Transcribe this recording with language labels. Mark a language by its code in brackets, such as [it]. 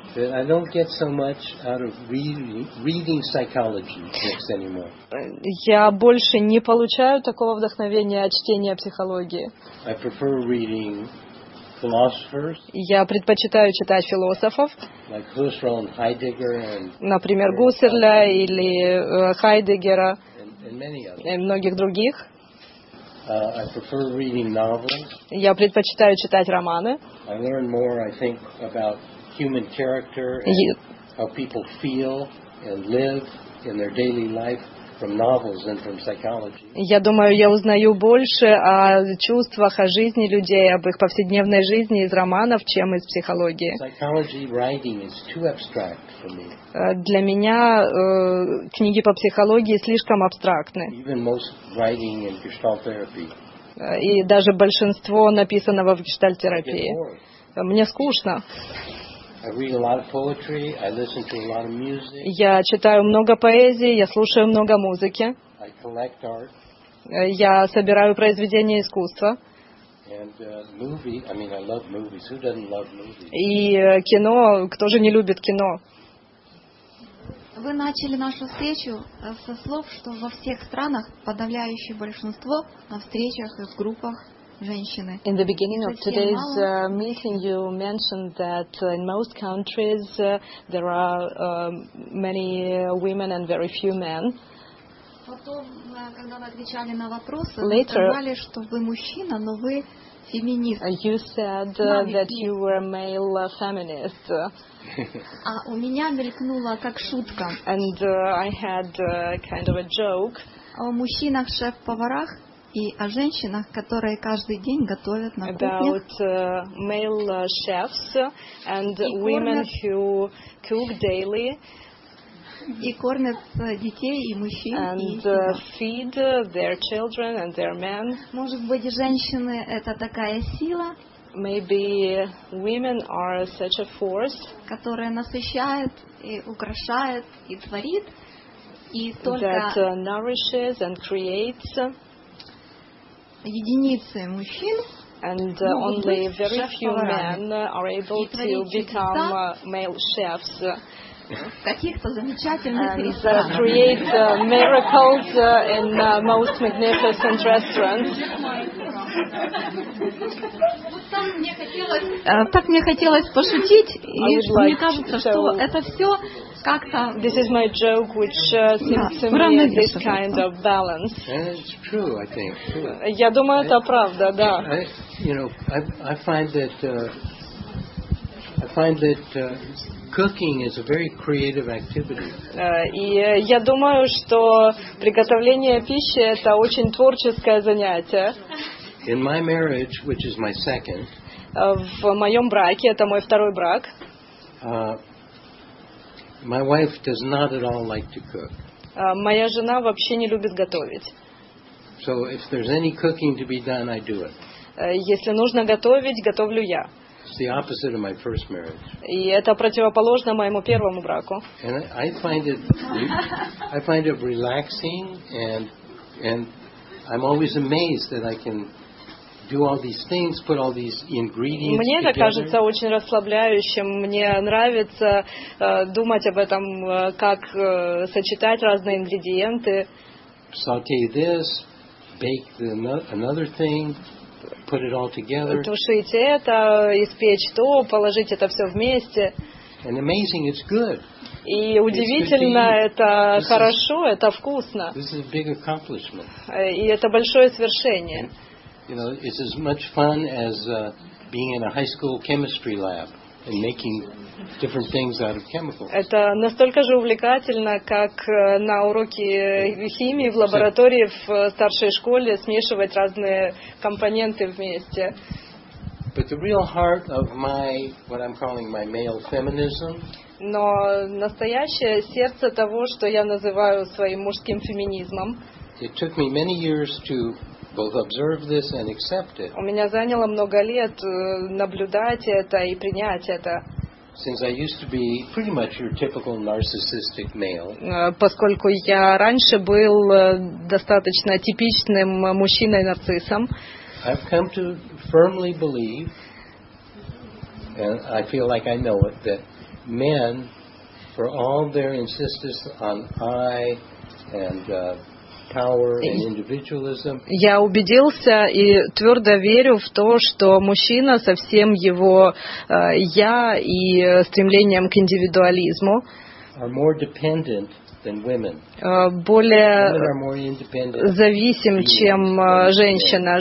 [en] That I don't get so much out of reading psychology books anymore. [ru] Я больше не получаю такого вдохновения от чтения психологии. [en] I prefer reading. Philosophers. [ru] Я предпочитаю читать философов. [en] Like Husserl and Heidegger and. [ru] Например, Гуссерля или Хайдеггера. [en] And [ru] многих других. [en] I prefer reading novels. [ru] Я предпочитаю читать романы. [en] I learn more, I think, about human character and how people feel and live in their daily life. From novels and from psychology. [ru] Я думаю, я узнаю больше о чувствах, о жизни людей, об их повседневной жизни из романов, чем из психологии. [en] Psychology writing is too abstract for me. [ru] Для меня книги по психологии слишком абстрактны. [en] Even most writing in gestalt therapy. [ru] И даже большинство написанного в гештальт-терапии. Мне скучно. [en] I read a lot of poetry, I listen to a lot of music. [ru] Я читаю много поэзии, я слушаю много музыки. [en] I collect art. [ru] Я собираю произведения искусства. [en] And movie, I mean, I love movies. Who doesn't love movies? [ru] И кино, кто же не любит кино? Вы начали нашу встречу со слов, что во всех странах подавляющее большинство на встречах и в группах. [en] In the beginning of today's meeting, you mentioned that in most countries there are many women and very few men. Later, you said that you were a male feminist. [ru] А у меня мелькнула как шутка. [en] And I had kind of a joke. [ru] О мужчинах-шеф-поварах. И о женщинах, которые каждый день готовят на кухне. [en] About male chefs and women who cook daily. [ru] И кормят детей и мужчин. [en] And feed their children and their men. [ru] Может быть, женщины это такая сила? [en] Maybe women are such a force. [ru] Которая насыщает и украшает и творит. И только. [en] That nourishes and creates. [ru] Единицы мужчин, [en] and only very few men are able to become male chefs. [ru] Каких-то замечательных [en] restaurants. And create miracles in most magnificent restaurants. [ru] Так мне хотелось пошутить, и мне кажется, что это все как-то. [en] This is my joke, which seems to me this kind of balance. It's true, I think. [ru] Я думаю, это правда, да. [en] You know, I find that cooking is a very creative activity. [ru] И я думаю, что приготовление пищи это очень творческое занятие. [en] In my marriage, which is my second. [ru] В моем браке, это мой второй брак. [en] My wife does not at all like to cook. [ru] Моя жена вообще не любит готовить. [en] So if there's any cooking to be done, I do it. [ru] Если нужно готовить, готовлю я. [en] It's the opposite of my first marriage. [ru] И это противоположно моему первому браку. [en] And I find it relaxing, and I'm always amazed that I can. Do all these things, put all these ingredients [ru] мне [en] together. [ru] Это кажется очень расслабляющим. Мне нравится думать об этом, как сочетать разные ингредиенты. [en] Sauté this, bake another thing, put it all together. [ru] Тушить это, испечь то, положить это все вместе. [en] And amazing, it's good. [ru] И удивительно, это хорошо, это вкусно. [en] This is a big accomplishment. [ru] И это большое свершение. [en] You know, it's as much fun as being in a high school chemistry lab and making different things out of chemicals. [ru] Это настолько же увлекательно, как на уроке химии в лаборатории в старшей школе смешивать разные компоненты вместе. [en] But the real heart of my, what I'm calling my male feminism. [ru] Но настоящее сердце того, что я называю своим мужским феминизмом. [en] It took me many years to both observe this and accept it. [ru] У меня заняло много лет наблюдать это и принять это. [en] Since I used to be pretty much your typical narcissistic male. [ru] Поскольку я раньше был достаточно типичным мужчиной-нарциссом. [en] I've come to firmly believe, and I feel like I know it, that men, for all their insistence on I and power and individualism. [ru] Я убедился и твердо верю в то, что мужчина со всем его я и стремлением к индивидуализму [en] are more dependent than women. [ru] Более зависим, чем женщина.